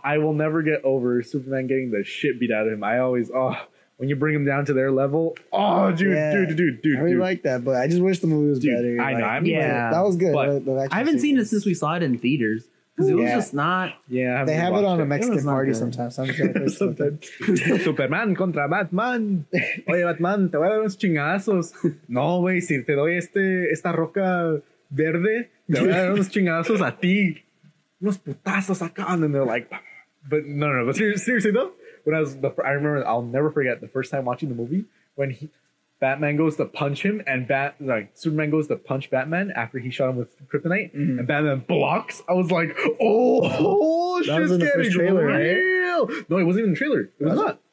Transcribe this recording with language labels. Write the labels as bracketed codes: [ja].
[en] I will never get over Superman getting the shit beat out of him. I always, when you bring him down to their level, I really like that, but I just wish the movie was better. I know. That was good. I haven't seen it since we saw it in theaters because it was just not. Yeah, they have it on a Mexican party sometimes. Sometimes. Superman contra Batman. [es] Oye, Batman, te voy a dar unos chingazos. No, güey, si te doy esta roca verde, te voy a dar unos chingazos a ti. Unos putazos acá, [en] and then they're like, but no. But seriously though, when I'll never forget the first time watching the movie when Batman goes to punch him and Superman goes to punch Batman after he shot him with kryptonite and Batman blocks. I was like, shit's getting real. Trailer, right? No, it wasn't even the trailer. It was not.